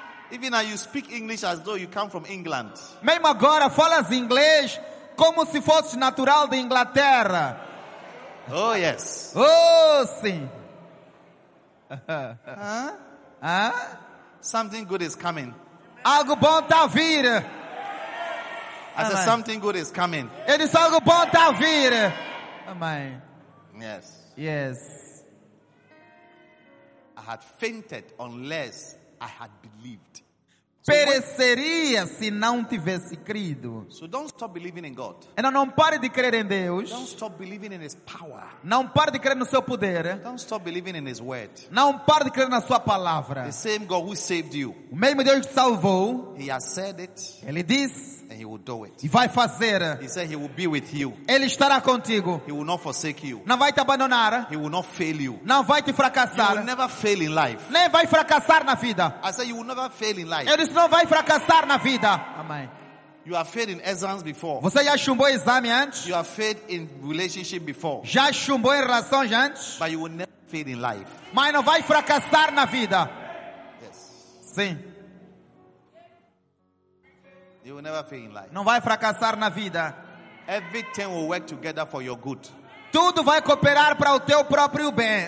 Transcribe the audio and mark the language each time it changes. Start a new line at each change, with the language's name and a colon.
English: Even now you speak English as though you come from England.
Portuguese: Mesmo agora falas inglês como se fosse natural de Inglaterra.
English: Oh yes.
Portuguese: Oh sim.
English: Something good is coming.
Portuguese: Algo bom está a vir.
English: I said something good is coming.
Portuguese: Ele disse algo bom está a vir. Amém.
English: Yes. Yes. I had fainted unless I had believed.
Portuguese: Pereceria se não tivesse crido.
English: So don't stop believing in God.
Portuguese: Então não pare de crer em Deus.
English: Don't stop believing in His power.
Portuguese: Não pare de crer no seu poder.
English: Don't stop believing in His word.
Portuguese: Não pare de crer na sua palavra.
English: The same God who saved you.
Portuguese: O mesmo Deus que salvou.
English: He has said it.
Portuguese: Ele disse.
English: And He will do it.
Portuguese: E vai fazer.
English: He said He will be with you.
Portuguese: Ele estará contigo.
English: He will not forsake you.
Portuguese: Não vai te abandonar.
English: He will not fail you.
Portuguese: Não vai te fracassar.
English: You will never fail in life.
Portuguese: Nem vai fracassar na vida.
English: I said you will never fail in life.
Portuguese: Ele não vai fracassar na vida. Amém.
English: You have failed in exams before.
Portuguese: Você já chumbou exame antes?
English: You have failed in relationship before.
Portuguese: Já chumbou em relação antes?
English: But you will never fail in life.
Portuguese: Mas não vai fracassar na vida.
English: Yes.
Portuguese: Sim.
English: You will never fail in life.
Portuguese: Não vai fracassar na vida.
English: Everything will work together for your good.
Portuguese: Tudo vai cooperar para o teu próprio bem.